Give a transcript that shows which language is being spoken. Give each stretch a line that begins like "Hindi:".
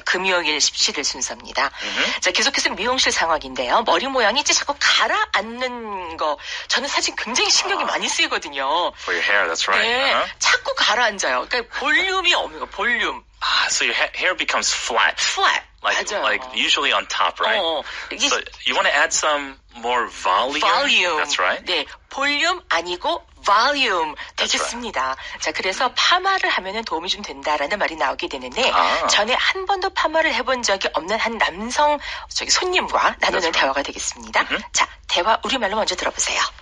Korean: 금요일 17일 순서입니다. Mm-hmm. 자, 계속해서 미용실 상황인데요. 머리 모양이 이제 자꾸 가라앉는 거. 저는 사실 굉장히 신경이 많이 쓰이거든요.
English: For your hair, that's right.
Korean: 네, uh-huh. 자꾸 가라앉아요. 그러니까 볼륨이 없는 거, 볼륨.
English: So your hair becomes flat. Flat. Like usually on top, right? So you want to add some more volume? Volume. That's right.
Korean: 네, 볼륨 아니고 volume 되겠습니다.
English: Right.
Korean: 자, 그래서 파마를 하면은 도움이 좀 된다라는 말이 나오게 되는데 전에 한 번도 파마를 해본 적이 없는 한 남성 저기 손님과 나누는
English: right.
Korean: 대화가 되겠습니다. Mm-hmm. 자, 대화 우리말로 먼저 들어보세요.